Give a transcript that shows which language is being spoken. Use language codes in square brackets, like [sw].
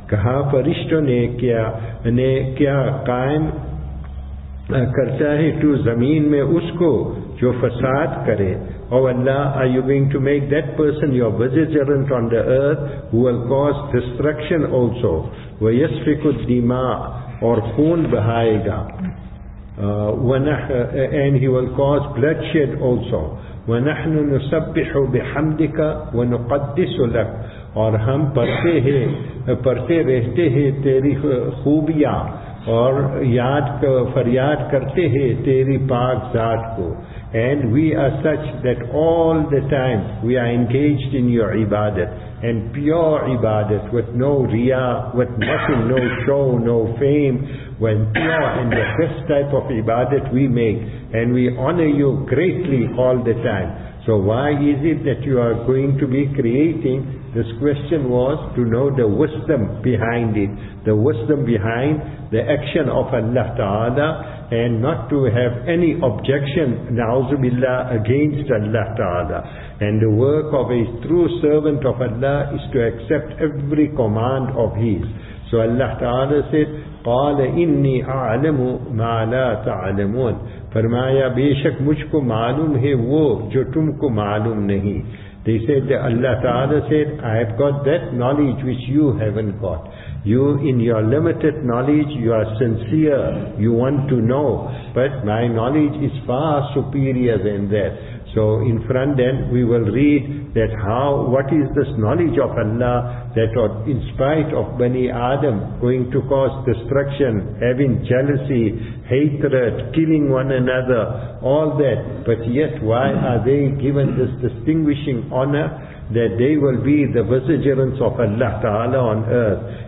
[ur] کہا فرشتوں نے کیا قائم کرتا ہے تو زمین میں اس کو جو فساد کرے. [en] Oh Allah, are you going to make that person your vicegerent on the earth who will cause destruction also? [ar] وَيَسْفِكُ الدِّمَاءَ, [ur] اور خون بہائے گا. [en] And he will cause bloodshed also. [ar] وَنَحْنُ نُسَبِّحُ بِحَمْدِكَ وَنُقَدِّسُ لَكَ, [ur] اور ہم پڑھتے رہتے ہیں تیری خوبیاں اور یاد فریاد کرتے ہیں تیری پاک ذات کو. [en] And we are such that all the time we are engaged in your ibadat and pure ibadat with no riya, with nothing, no show, no fame. When pure and the best type of ibadat we make, and we honor you greatly all the time. So why is it that you are going to be creating? This question was to know the wisdom behind it, the wisdom behind the action of Allah Ta'ala, and not to have any objection, na'uzu billah, against Allah Ta'ala. And the work of a true servant of Allah is to accept every command of His. So Allah Ta'ala said, [ar] قَالَ إِنِّي أَعْلَمُ مَا لَا تَعْلَمُونَ. [ur] فرمایا بے شک مجھ کو معلوم ہے وہ جو تم کو معلوم نہیں. [en] They said that Allah Ta'ala said, I have got that knowledge which you haven't got. You, in your limited knowledge, you are sincere, you want to know, but my knowledge is far superior than that. So in front then we will read that how, what is this knowledge of Allah that in spite of Bani Adam going to cause destruction, having jealousy, hatred, killing one another, all that, but yet why are they given this distinguishing honor that they will be the vicegerents of Allah Ta'ala on earth?